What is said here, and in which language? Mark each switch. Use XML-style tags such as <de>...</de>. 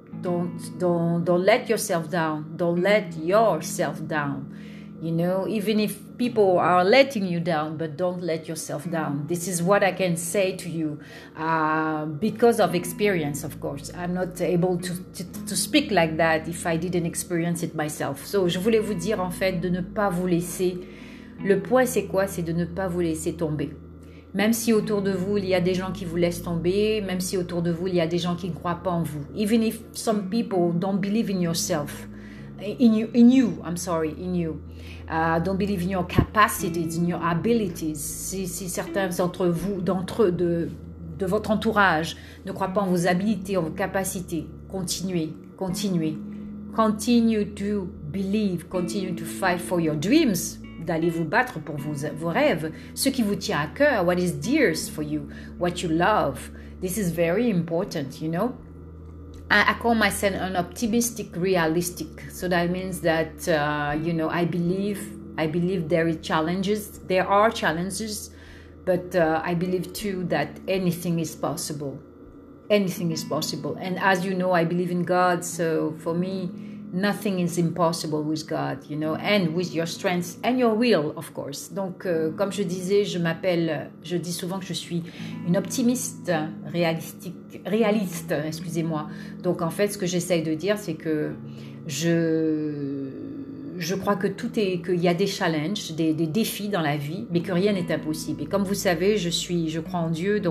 <en>Don't let yourself down. Don't let yourself down. You know, even if people are letting you down, but don't let yourself down. This is what I can say to you, because of experience, of course. I'm not able to speak like that if I didn't experience it myself.</en> <fr>So, je voulais vous dire, en fait, de ne pas vous laisser. Le point, c'est quoi? C'est de ne pas vous laisser tomber. Même si autour de vous, il y a des gens qui vous laissent tomber, même si autour de vous, il y a des gens qui ne croient pas en vous.</fr> <en>Even if some people don't believe in yourself. In you, I'm sorry, in you. Don't believe in your capacities, in your abilities.</en> <fr>Si certains d'entre vous, de votre entourage, ne croient pas en vos habiletés, en vos capacités, continuez.</fr> <en>Continue to believe, continue to fight for your dreams,</en> <fr>d'aller vous battre pour vos rêves, ce qui vous tient à cœur,</fr> <en>what is dearest for you, what you love. This is very important, you know. I call myself an optimistic realistic. So that means that, you know, I believe there are challenges, but I believe too that anything is possible. Anything is possible. And as you know, I believe in God. So for me, nothing is impossible with God, you know, and with your strengths and your will, of course.</en> <fr>Donc, comme je disais, je dis souvent que je suis une optimiste réaliste. Donc, en fait, ce que j'essaye de dire, c'est que je crois que tout est, qu'il y a des challenges, des défis dans la vie, mais que rien n'est impossible. Et comme vous savez, je crois en Dieu.</fr>